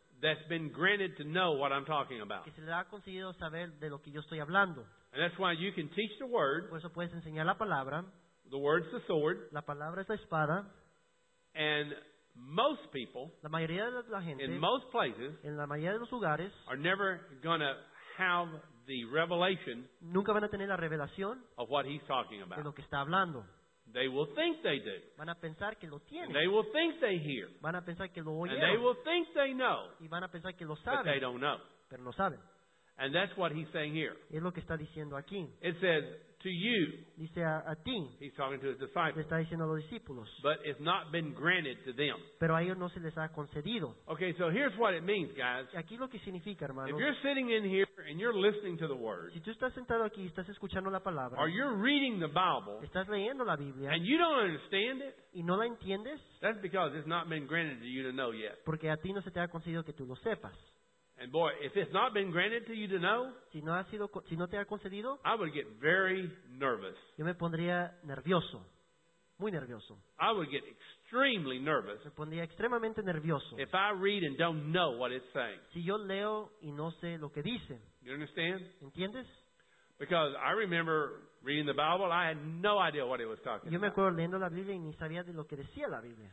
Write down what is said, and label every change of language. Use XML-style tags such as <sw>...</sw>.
<en>That's been granted to know what I'm talking about.</en> <es>Que se les ha concedido saber de lo que yo estoy hablando.</es> <en>And that's why you can teach the word.</en> <es>Por eso puedes enseñar la palabra.</es> <en>The word's the sword.</en> <es>La palabra es la espada.</es> <en>And most people,</en> <es>la mayoría de la gente,</es> <en>in most places,</en> <es>en la mayoría de los lugares,</es> <en>are never gonna have the revelation.</en> <es>Nunca van a tener la revelación</es> <en>of what he's talking about.</en> <es>De lo que está hablando.</es> <en>They will think they do.</en> <es>Van a pensar que lo tienen.</es> <en>And they will think they hear.</en> <es>Van a pensar que lo oyeron.</es> <en>And they will think they know.</en> <es>Y van a pensar que lo saben.</es> <en>But they don't know.</en> <es>Pero no saben.</es> <en>And that's what he's saying here.</en> <es>Es lo que está diciendo aquí.</es> <en>It says to you.</en> <es>Dice a ti.</es> <en>He's talking to his disciples.</en> <es>Le está diciendo a los discípulos.</es> <en>But it's not been granted to them.</en> <es>Pero a ellos no se les ha concedido.</es> <en>Okay, so here's what it means, guys.</en> <es>Aquí lo que significa, hermanos.</es> <en>If you're sitting in here and you're listening to the word.</en> <es>Si tú estás sentado aquí y estás escuchando la palabra.</es> <en>Or you're reading the Bible.</en> <es>Estás leyendo la Biblia.</es> <en>And you don't understand it.</en> <es>Y no la entiendes.</es> <en>That's because it's not been granted to you to know yet.</en> <es>Porque a ti no se te ha concedido que tú lo sepas.</es> <en>And boy, if it's not been granted to you to know,</en> <es>si no te ha concedido,</es> <en>I would get very nervous.</en> <es>Yo me pondría nervioso, muy nervioso.</es> <en>I would get extremely nervous.</en> <es>Me pondría extremadamente nervioso.</es> <en>If I read and don't know what it's saying,</en> <es>si yo leo y no sé lo que dice,</es> <en>you understand?</en> <es>¿Entiendes?</es> <en>Because I remember reading the Bible, I had no idea what it was talking about.</en> <es>Yo me acuerdo leyendo la Biblia y ni sabía de lo que decía la Biblia.</es>